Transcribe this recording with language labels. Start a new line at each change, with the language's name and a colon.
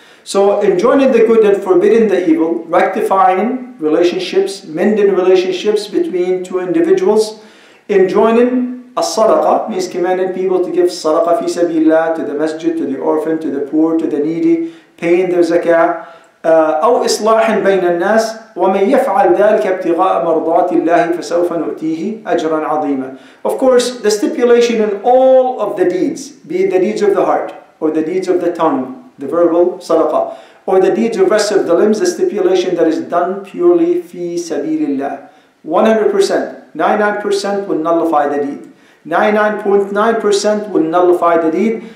English: So enjoining the good and forbidding the evil, rectifying relationships, mending relationships between two individuals, enjoining a sadaqah, means commanding people to give sadaqah fi sabilillah, to the masjid, to the orphan, to the poor, to the needy, paying their zakah.
Arabic: أو إصلاح بين الناس ومن يفعل ذلك ابتغاء مرضات الله فسوف نؤتيه أجرا عظيما.
English: Of course, the stipulation in all of the deeds, be it the deeds of the heart or the deeds of the tongue, the verbal sadaqah, or the deeds of rest of the limbs, the stipulation that is done purely في سبيل الله, 100%, 99% will nullify the deed, 99.9% will nullify the deed.